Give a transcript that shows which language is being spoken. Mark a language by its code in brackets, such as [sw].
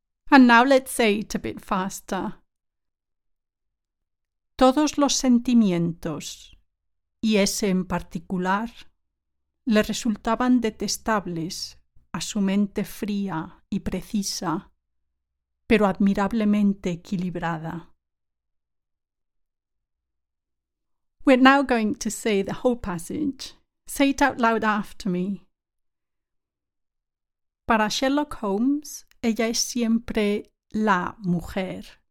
[en] And now let's say it a bit faster. [es] Todos los sentimientos, y ese en particular, le resultaban detestables a su mente fría y precisa, pero admirablemente equilibrada. [en] We're now going to say the whole passage. Say it out loud after me. [es] Para Sherlock Holmes, ella es siempre la mujer.